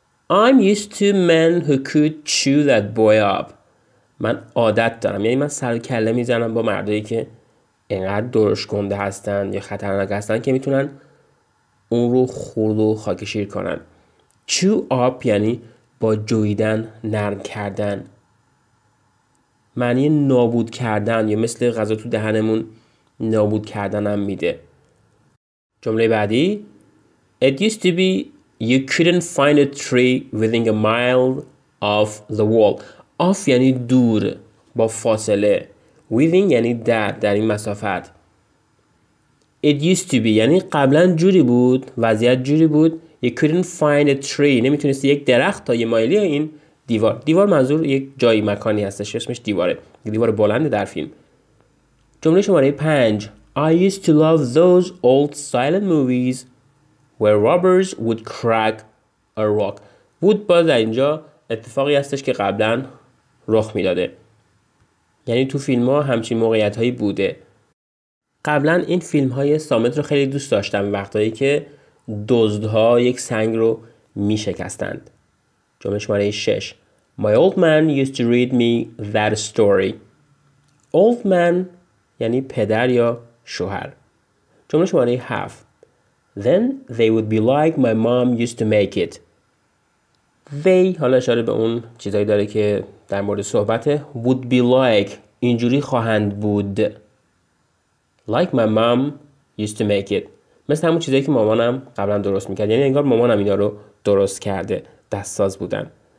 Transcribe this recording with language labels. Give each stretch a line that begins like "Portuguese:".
English: I'm used to men who could chew that boy up.
Persian: من عادت دارم. یعنی من سر و کله میزنم با مردایی که اینقدر درشت گنده هستن یا خطرناک هستن که میتونن اون رو خورد و خاکشیر کنن. Chew up یعنی با جویدن نرم کردن. معنی نابود کردن یا مثل غذا تو دهنمون نابود کردنم میده. جمله بعدی.
English: It used to be you couldn't find a tree within a mile of the wall.
Persian: Off یعنی دور با فاصله. Within یعنی در این مسافت.
English: It used to be
Persian: یعنی قبلا جوری بود، وضعیت جوری بود.
English: You couldn't find a tree.
Persian: نمیتونستی یک درخت تا یه مایلی این دیوار. دیوار منظور یک جایی مکانی هستش. اسمش دیواره. دیوار بلنده در فیلم. جمله شماره پنج.
English: I used to love those old silent movies where robbers would crack a rock.
Persian: would باز در اینجا اتفاقی هستش که قبلا رخ میداده. یعنی تو فیلم ها همچین موقعیت هایی بوده. قبلا این فیلم های سامت رو خیلی دوست داشتم. وقتایی که دزدها یک سنگ رو می شکستند. جمله شماره 6.
English: My old man used to read me that story.
Persian: Old man یعنی پدر یا شوهر. جمله شماره 7.
English: Then they would be like my mom used to make it.
Persian: They حالا اشاره به اون چیزایی داره که در مورد صحبته.
English: Would be like
Persian: اینجوری خواهند بود.
English: Like my mom used to make it.
Persian: مثل همون چیزایی که مامانم قبلا درست میکرد. یعنی انگار مامانم اینا رو درست کرده. دستساز بودن.